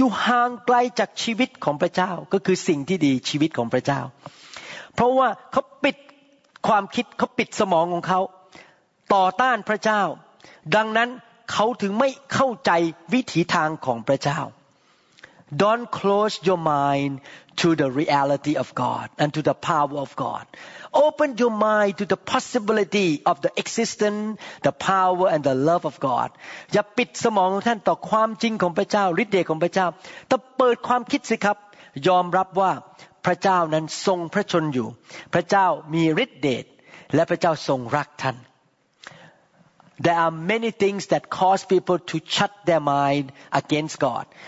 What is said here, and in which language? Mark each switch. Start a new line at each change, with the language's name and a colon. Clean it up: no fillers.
Thai: ยู่ห่างไกลจากชีวิตของพระเจ้าก็คือสิ่งที่ดีชีวิตของพระเจ้าเพราะว่าเขาปิดความคิดเขาปิดสมองของเขาต่อต้านพระเจ้าดังนั้นเขาถึงไม่เข้าใจวิถีทางของพระเจ้า
English: Don't close your mind to the reality of God and to the power of God. Open your mind to the possibility of the existence, the power, and the love of God.
Thai: อย่าปิดสมองของท่านต่อความจริงของพระเจ้าฤทธิ์เดชของพระเจ้าแต่เปิดความคิดสิครับยอมรับว่าพระเจ้านั้นทรงพระชนอยู่พระเจ้ามีฤทธิ์เดชและพระเจ้าทรงรักท่าน
English: There are many things that cause people to shut their mind against God.